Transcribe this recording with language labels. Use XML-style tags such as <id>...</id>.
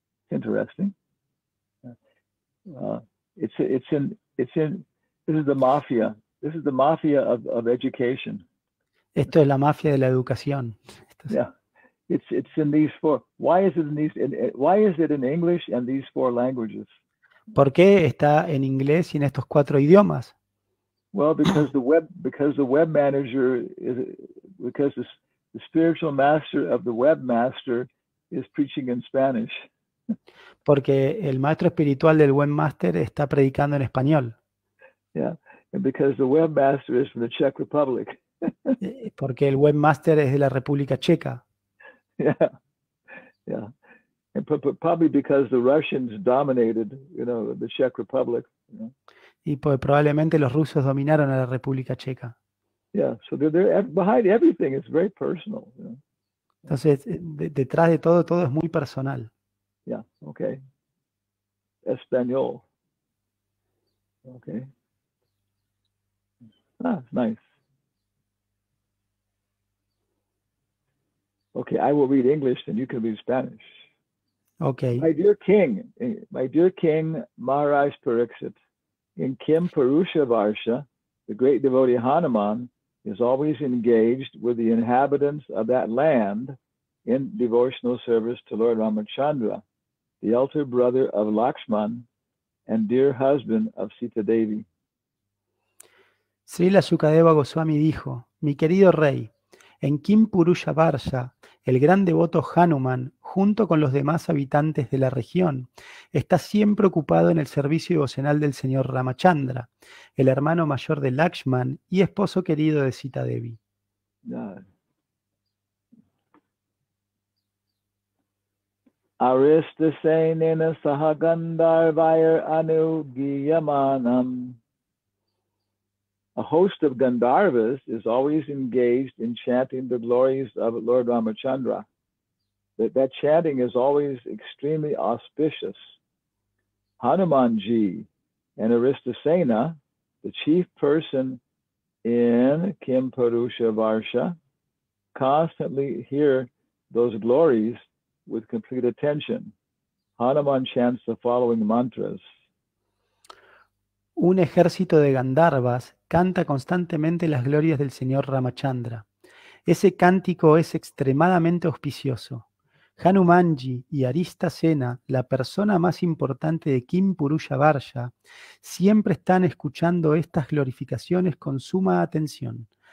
<en>Interesting. This is the mafia of education.</en> <es>Esto es la mafia de la educación.</es> <en>It's in these four. Why is it in English and these four languages?</en> <es>¿Por qué está en inglés y en estos cuatro idiomas?</es> <en>Well, because the spiritual master of the webmaster is preaching in Spanish.</en> <es>Porque el maestro espiritual del buen máster está predicando en español.</es> <en>Yeah, and because the webmaster is from the Czech Republic.</en> <es>Porque el webmaster es de la República Checa.</es> <en>And probably because the Russians dominated, you know, the Czech Republic. You know?</en> <es>Y pues probablemente los rusos dominaron a la República Checa.</es> <en>Yeah, so they're behind everything. It's very personal. You know?</en> <es>Entonces, detrás de todo, todo es muy personal.</es> <en>Yeah, okay. Español. Okay. Ah, nice. Okay, I will read English and you can read Spanish. Okay. My dear King Maharaj Pariksit, in Kim Purusha Varsha, the great devotee Hanuman is always engaged with the inhabitants of that land in devotional service to Lord Ramachandra, the elder brother of Lakshman and dear husband of Sita Devi.</en> <es>Srila Shukadeva Goswami dijo, mi querido rey, en Kim Purusha Varsha, el gran devoto Hanuman, junto con los demás habitantes de la región, está siempre ocupado en el servicio devocional del señor Ramachandra, el hermano mayor de Lakshman y esposo querido de Sita Devi.</es> <sa>Aristasenena sahagandharvair anugiyamanam.</sa> <en>A host of Gandharvas is always engaged in chanting the glories of Lord Ramachandra. That chanting is always extremely auspicious. Hanumanji and Aristasena, the chief person in Kim Purusha Varsha, constantly hear those glories with complete attention. Hanuman chants the following mantras.</en> <es>Un ejército de Gandharvas canta constantemente las glorias del señor Ramachandra. Ese cántico es extremadamente auspicioso. Hanumanji y Aristasena, la persona más importante de Kim Purusha Varsha, siempre están escuchando estas glorificaciones con suma atención.</es>